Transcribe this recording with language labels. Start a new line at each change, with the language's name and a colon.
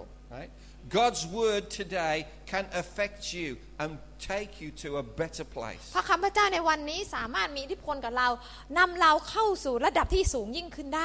English: Right. God's word today can affect you and take you to a better place.
Thai: พระคำพระเจ้าในวันนี้สามารถมีอิทธิพลกับเรานำเราเข้าสู่ระดับที่สูงยิ่งขึ้นได